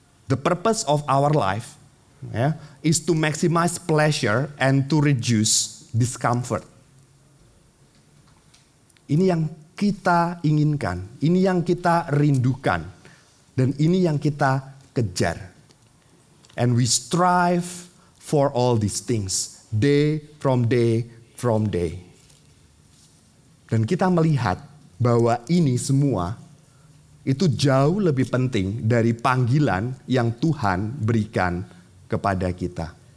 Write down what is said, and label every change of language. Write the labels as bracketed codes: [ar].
[en] The purpose of our life is to maximize pleasure and to reduce discomfort. [id] Ini yang kita inginkan, ini yang kita rindukan, dan ini yang kita kejar. [en] And we strive for all these things, day from day from day. [id] Dan kita melihat bahwa ini semua itu jauh lebih penting dari panggilan yang Tuhan berikan kepada kita.